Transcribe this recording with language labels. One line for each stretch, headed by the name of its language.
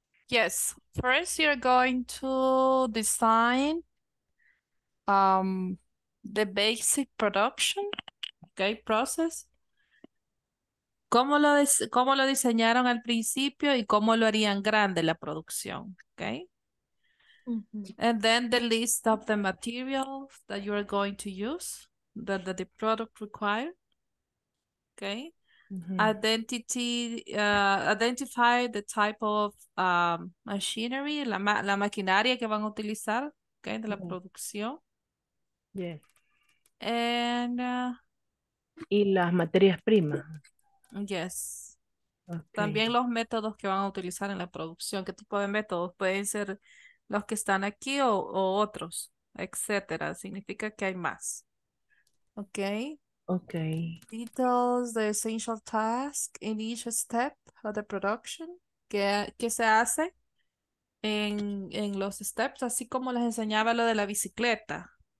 English: Yes, first you're going to design the basic production, okay, process.
Spanish: ¿Cómo lo diseñaron al principio y cómo lo harían grande la producción, okay?
English: And then the list of the materials that you are going to use, that the product required. Okay. Mm-hmm. Identify the type of machinery,
Spanish: la maquinaria que van a utilizar,
English: okay, de la yeah. producción. Yes. And
Spanish: y las materias primas.
English: Yes. Okay.
Spanish: También los métodos que van a utilizar en la producción, qué tipo de métodos, pueden ser los que están aquí o otros, etcétera. Significa que hay más. Okay.
English: Okay. Details, the essential task in each step of the production.
Spanish: ¿Qué se hace en los steps? Así como les enseñaba lo de la bicicleta.